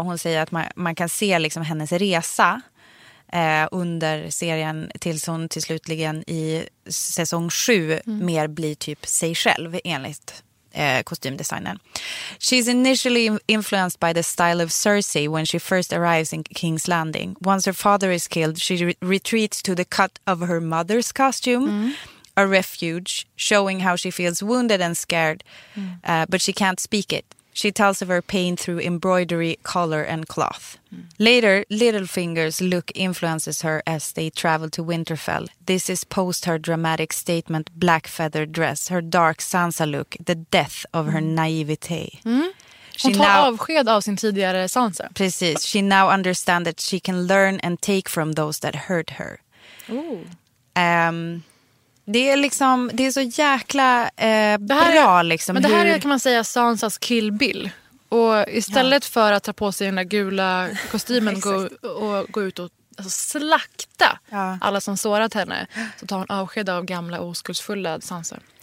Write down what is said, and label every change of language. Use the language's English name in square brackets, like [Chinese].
[Swedish] Hon säger att man kan se liksom hennes resa under serien tills hon till slutligen i säsong 7 mer blir typ sig själv enligt kostymdesignern. [English] She's initially influenced by the style of Cersei when she first arrives in King's Landing. Once her father is killed, she retreats to the cut of her mother's costume, a refuge, showing how she feels wounded and scared, but she can't speak it. She tells of her pain through embroidery, color and cloth. Later, Littlefinger's look influences her as they travel to Winterfell. This is post her dramatic statement, black feather dress, her dark Sansa look, the death of her naivete. [Swedish] Hon tar avsked av sin tidigare Sansa. Precis. [English] She now understands that she can learn and take from those that hurt her. [Swedish] Det är liksom, det är så jäkla bra liksom. Men det här är, kan man säga, Sansas Kill Bill. Och istället för att ta på sig den där gula kostymen och gå ut och alltså, slakta alla som sårat henne, så tar hon avsked av gamla oskuldsfulla Sansa.